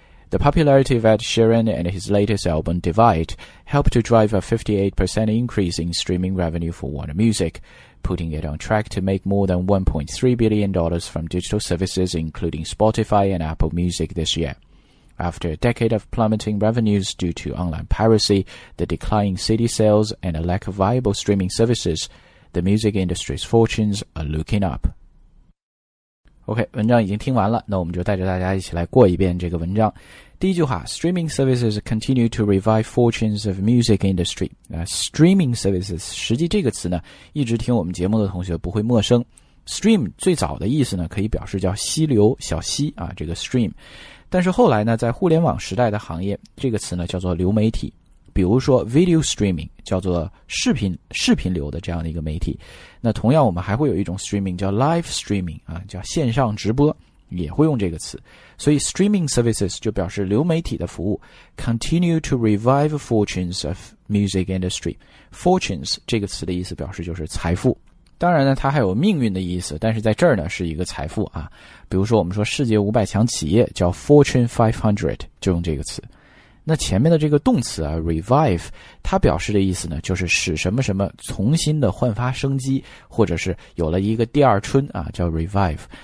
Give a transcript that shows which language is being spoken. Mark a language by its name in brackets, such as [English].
[English] The popularity of Ed Sheeran and his latest album, Divide, helped to drive a 58% increase in streaming revenue for Warner Music, putting it on track to make more than $1.3 billion from digital services including Spotify and Apple Music this year. After a decade of plummeting revenues due to online piracy, the declining CD sales, and a lack of viable streaming services, the music industry's fortunes are looking up. [Chinese] OK, 文章已经听完了，那我们就带着大家一起来过一遍这个文章。第一句话， [English] streaming services continue to revive fortunes of music industry. [Chinese] Streaming services, 实际这个词呢，一直听我们节目的同学不会陌生。 Stream 最早的意思呢，可以表示叫溪流、小溪啊，这个 stream。但是后来呢，在互联网时代的行业，这个词呢叫做流媒体，比如说 video streaming 叫做视频流的这样的一个媒体。那同样我们还会有一种 streaming 叫 live streaming 啊，叫线上直播，也会用这个词。所以 [English] streaming services [Chinese] 就表示流媒体的服务 [English] continue to revive fortunes of music industry. [Chinese] Fortunes 这个词的意思表示就是财富。当然呢，它还有命运的意思，但是在这儿呢是一个财富啊。比如说我们说世界500强企业叫 Fortune 500, 就用这个词。那前面的这个动词啊 ,revive, 它表示的意思呢就是使什么什么重新的焕发生机，或者是有了一个第二春啊，叫 revive。